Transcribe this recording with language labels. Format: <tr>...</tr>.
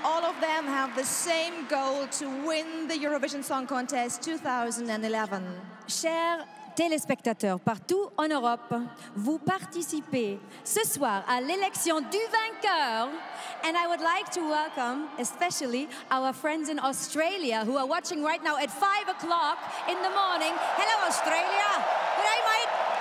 <en>All of them have the same goal, to win the Eurovision Song Contest 2011.</en> <fr>Chers téléspectateurs partout en Europe, vous participez ce soir à l'élection du vainqueur.</fr> <en>And I would like to welcome especially our friends in Australia who are watching right now at 5 o'clock in the morning. Hello, Australia. Good day, mate.</en>